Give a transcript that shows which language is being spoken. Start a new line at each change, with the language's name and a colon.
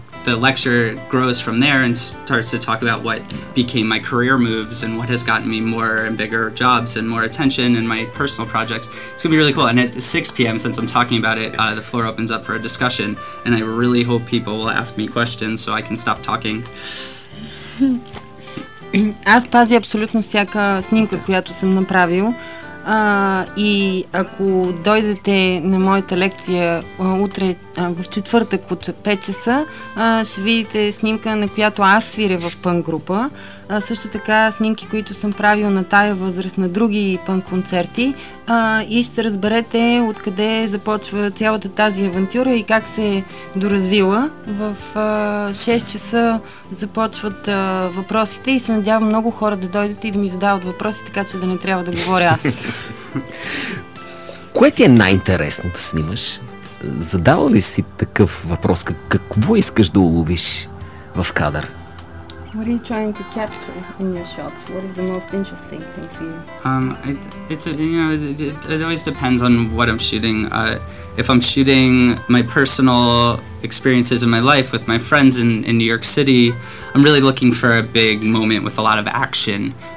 English: The lecture grows from there and starts to talk about what became my career moves and what has gotten me more and bigger jobs and more attention and my personal projects. It's going to be really cool. And at 6 p.m., since I'm talking about it, the floor opens up for a discussion. And I really hope people will ask me questions so I can stop talking.
Bulgarian: Аз пазя абсолютно всяка снимка, която съм направил. И ако дойдете на моята лекция утре в четвъртък от 5 часа, ще видите снимка, на която аз свиря в пънк група. също така снимки, които съм правил на тая възраст на други пънк концерти, и ще разберете откъде започва цялата тази авантюра и как се е доразвила. В 6 часа започват въпросите и се надявам много хора да дойдат и да ми задават въпроси, така че да не трябва да говоря аз. Кое ти е най-интересно да снимаш? Задавал ли си такъв въпрос? Какво искаш да уловиш в кадър?
English: What are you trying to capture in your shots? What is the most interesting thing for you? It always depends on what I'm shooting. If I'm shooting my personal experiences in my life with my friends in New York City, I'm really looking for a big moment with a lot of action.